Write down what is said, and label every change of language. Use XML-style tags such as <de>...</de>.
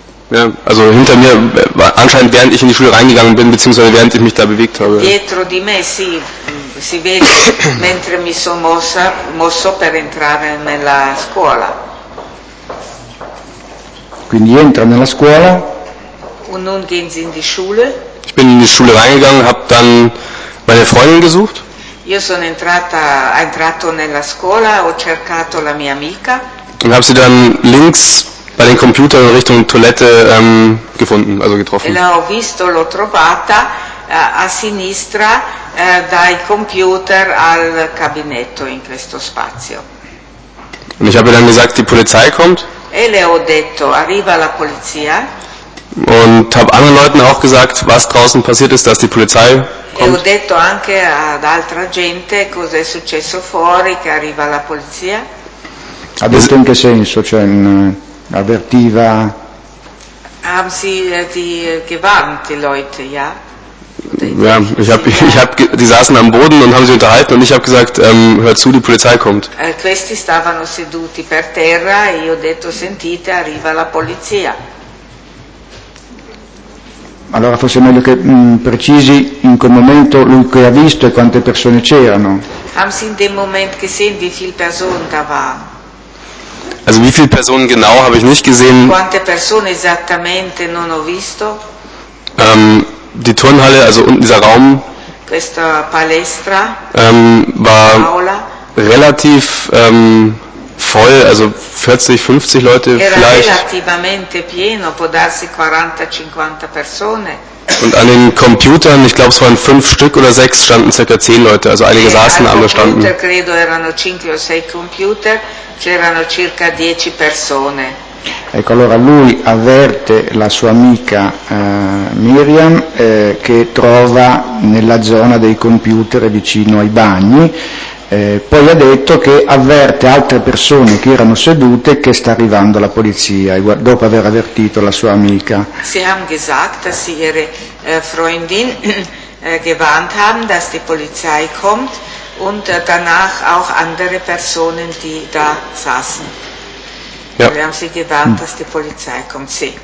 <de>Ja, also hinter mir, anscheinend während ich in die Schule reingegangen bin, beziehungsweise während ich mich da bewegt habe.</de> <it>Dietro di me, sì, si vede, mentre mi sono mosso per entrare nella scuola. Quindi entra nella scuola.</it> <de>Und nun gehen Sie in die Schule. Ich bin in die Schule reingegangen, habe dann meine Freundin gesucht.</de> <it>Io sono entrato nella scuola, ho cercato la mia amica.</it> <de>Und habe sie dann links bei den Computern in Richtung Toilette gefunden, also getroffen.</de> <it>L'ho visto, l'ho trovata a sinistra dai computer al cabinetto in questo spazio.</it> <de>Und ich habe dann gesagt, die Polizei kommt.</de> <it>E le ho detto, arriva la polizia.</it> <de>Und habe anderen Leuten auch gesagt, was draußen passiert ist, dass die Polizei kommt.</de> <it>E ho detto anche ad altra gente cosa è successo fuori, che arriva la polizia. Ha detto in che senso, cioè in... avvertiva.</it> <de>Haben Sie die gewarnt, die Leute, ja? Ja, die saßen am Boden und haben sie unterhalten und ich habe gesagt, hör zu, die Polizei kommt.</de> <it>Questi stavano seduti per terra e io ho detto, sentite, arriva la polizia. Allora forse è meglio che precisi in quel momento lui che ha visto e quante persone c'erano.</it> <de>Haben Sie in dem Moment gesehen, wie viele Personen da waren? Also wie viele Personen genau habe ich nicht gesehen.</de> <it>Quante persone esattamente non ho visto?</it> <de>Die Turnhalle, also unten dieser Raum,</de> <it>questa palestra,</it> <de>war Paola, relativ voll, also 40, 50 Leute</de> <it>era</it> <de>vielleicht.</de> <it>Era relativamente pieno, può darsi 40, 50 persone.</it> <de>Und an den Computern, ich glaube es waren 5 Stück oder 6, standen ca. 10 Leute, also einige saßen, andere standen.</de> <it>Computer, credo erano 5 o 6 computer, c'erano circa 10 persone. Ecco, allora lui avverte la sua amica Miriam che trova nella zona dei computer vicino ai bagni, poi ha detto che avverte altre persone che erano sedute che sta arrivando la polizia, dopo aver avvertito la sua amica.</it> <de>Sie haben gesagt, dass sie ihre Freundin gewarnt haben, dass die Polizei kommt und danach auch andere Personen, die da saßen. Ja. Wir haben sie gewarnt, dass die Polizei kommt,</de> <it>sì.</it>